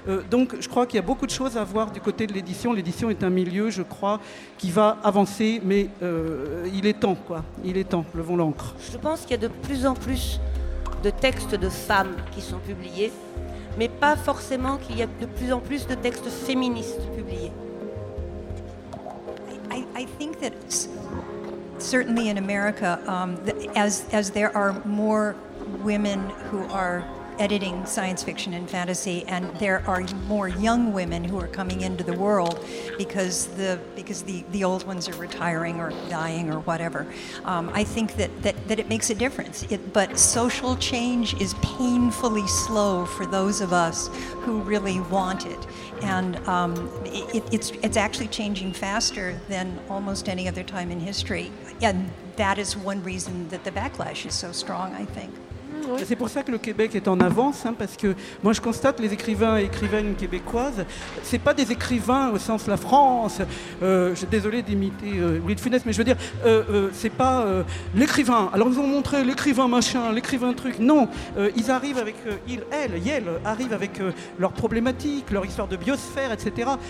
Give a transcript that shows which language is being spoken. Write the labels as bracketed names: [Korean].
[French] Donc je crois qu'il y a beaucoup de choses à voir du côté de l'édition. L'édition est un milieu, je crois, qui va avancer, mais il est temps, quoi. Il est temps, levons l'encre. Je pense qu'il y a de plus en plus de textes de femmes qui sont publiés, mais pas forcément qu'il y a de plus en plus de textes féministes publiés. [English] I think that certainly in America, as there are more women who are editing science fiction and fantasy, and there are more young women who are coming into the world because the old ones are retiring or dying or whatever. I think that it makes a difference. But social change is painfully slow for those of us who really want it, and it's actually changing faster than almost any other time in history, and that is one reason that the backlash is so strong, I think. [French] C'est pour ça que le Québec est en avance, hein, parce que moi je constate les écrivains et écrivaines québécoises, c'est pas des écrivains au sens la France, je suis désolé d'imiter Louis de Funès, mais je veux dire, c'est pas l'écrivain, alors ils ont montré l'écrivain machin, l'écrivain truc, non, ils arrivent avec, ils arrivent avec leurs problématiques, leur histoire de biosphère, etc.